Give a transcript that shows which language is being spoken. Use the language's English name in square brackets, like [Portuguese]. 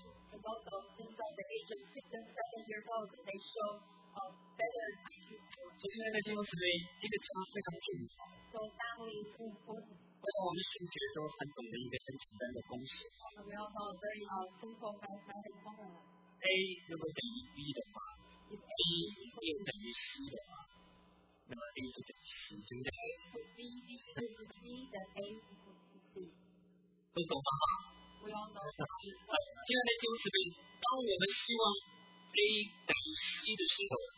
[English] And also, since the age of 6 and 7 years old, they show better IQ scores. So family is important. [Chinese] 我们数学都很懂得一个很简单的公式。 [English] We all know a very simple mathematic formula. [Chinese] A 如果等于 B 的话， B 也等于 C 的话， 那么 A 就等于 C， 对不对？ [English] A equals B, B equals C, then A equals C. [Chinese] 都懂吗？ [English] We all know that. [Chinese] 接下来就是，当我们希望 A 等于 C 的时候，